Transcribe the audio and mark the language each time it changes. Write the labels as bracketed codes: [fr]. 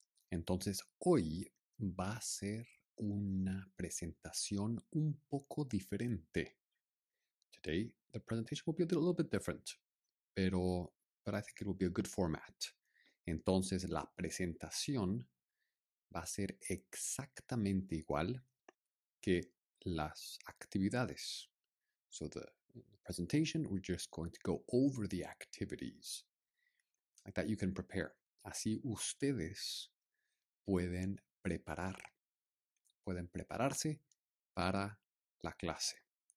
[es] Entonces, hoy va a ser una presentación un poco diferente. [en] Today, the presentation will be a little bit different, but I think it will be a good format. [es] Entonces, la presentación va a ser exactamente igual que las actividades. [en] So the presentation, we're just going to go over the activities like that you can prepare. [es] Así ustedes pueden preparar, pueden prepararse para la clase.